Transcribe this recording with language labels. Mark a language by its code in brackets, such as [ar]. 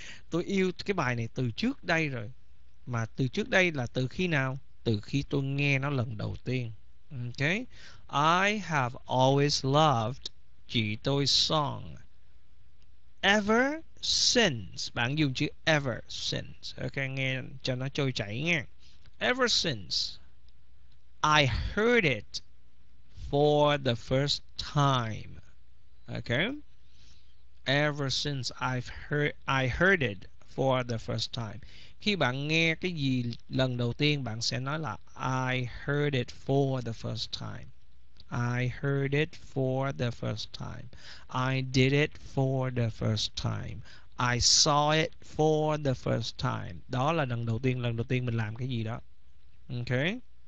[vi] Tôi yêu cái bài này từ trước đây rồi. Mà từ trước đây là từ khi nào? Từ khi tôi nghe nó lần đầu tiên. [en] Okay. I have always loved [vi] chị tôi [en] song ever since. [vi] Bạn dùng chữ ever since. Okay, nghe cho nó trôi chảy nghe. [en] Ever since I heard it for the first time. Okay. Ever since I heard it for the first time. [vi] Khi bạn nghe cái gì lần đầu tiên, bạn sẽ nói là [en] I heard it for the first time. I heard it for the first time. I did it for the first time. I saw it for the first time. [vi] Đó là lần đầu tiên mình làm cái gì đó. Okay.